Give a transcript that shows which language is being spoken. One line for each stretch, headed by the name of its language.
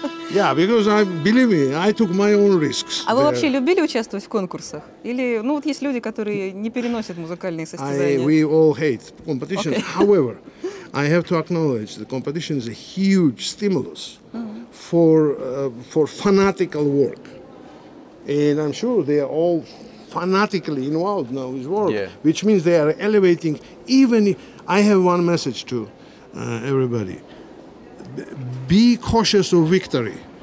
English: Yeah, because I believe me, I took my own risks.
Russian: А вы вообще любили участвовать в конкурсах? Или, ну вот есть люди, которые не переносят музыкальные состязания.
English: We all hate competition. Okay. However, I have to acknowledge the competition is a huge stimulus for fanatical work, and I'm sure they are all fanatically involved now with work, which means they are elevating. Even if, I have one message to everybody: be cautious of victory.